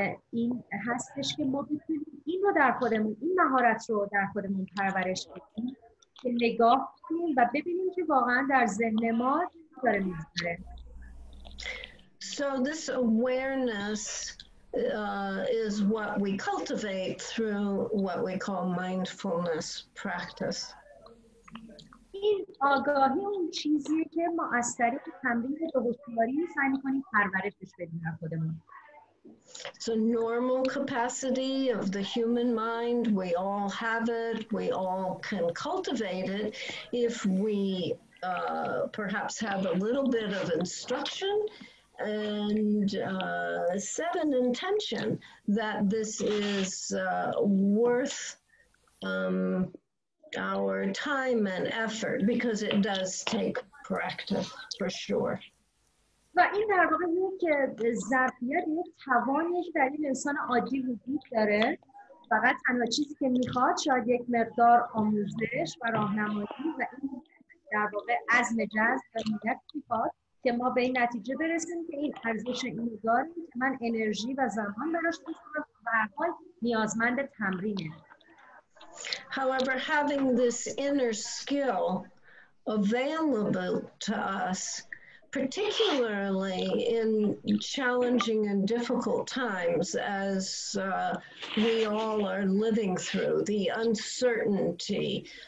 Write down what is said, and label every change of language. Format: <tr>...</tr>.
<fa>این هستش که ما بتونیم این رو در خودمون این مهارت رو در خودمون پرورش بدیم که نگاه کنیم و ببینیم که واقعا در ذهن ما چی داره میگذره.</fa> <en>So this awareness is what we cultivate through what we call mindfulness practice.</en> <fa>این آگاهی اون چیزی که ما از طریق تمرین هوشیاری سعی می‌کنیم پرورشش بدیم در خودمون.</fa> <en>It's a normal capacity of the human mind. We all have it. We all can cultivate it if we perhaps have a little bit of instruction and set an intention that this is worth our time and effort, because it does take practice for sure.</en> <fa>و این در واقع یک ظرفیت، یک توانی که در این انسان عادی وجود داره. فقط تنها چیزی که میخواد شاید یک مقدار آموزش و راهنمایی و این در واقع عزم جزم و نیت میخواد که ما به این نتیجه برسیم که این ارزش اینو داره که من انرژی و زمان براش بذارم. به هر حال نیازمند تمرینه.</fa> <en>However, having this inner skill available to us, particularly in challenging and difficult times, as we all are living through, the uncertainty,</en>